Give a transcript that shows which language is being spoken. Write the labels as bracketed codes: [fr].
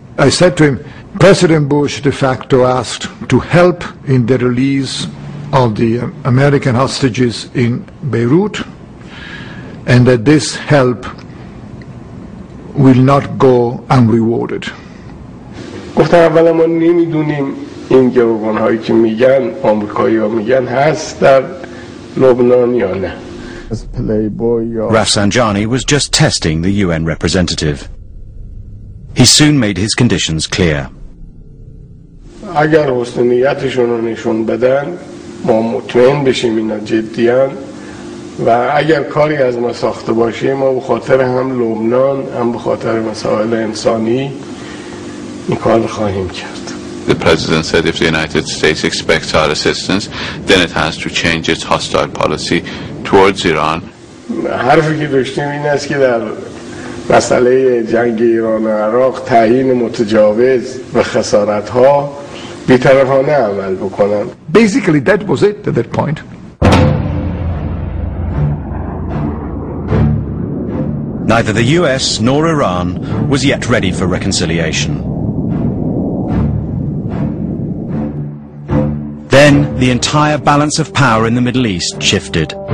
[en] I said to him, President Bush de facto asked to help in the release of the American hostages in Beirut, and that this help will not go unrewarded. [fa] گفتم اولا ما نمیدونیم این گروگان هایی که میگن آمریکایی ها میگن هست در لبنان یا نه. [en] Rafsanjani was just testing the UN representative. He soon made his conditions clear. [fa] اگر حسن نیتشون رو نشون بدن ما مطمئن بشیم اینا جدیان و اگر کاری از ما ساخته باشه ما به خاطر هم لبنان هم به خاطر مسائل انسانی این کار خواهیم کرد. [en] The president said if the United States expects our assistance then it has to change its hostile policy towards Iran. [fa] حرفی که داشتیم این است که در مسئله جنگ ایران و عراق تعیین متجاوز و خسارت ها بی‌طرفانه عمل بکنن. [en] Basically that was it at that point. Neither the US nor Iran was yet ready for reconciliation. Then the entire balance of power in the Middle East shifted.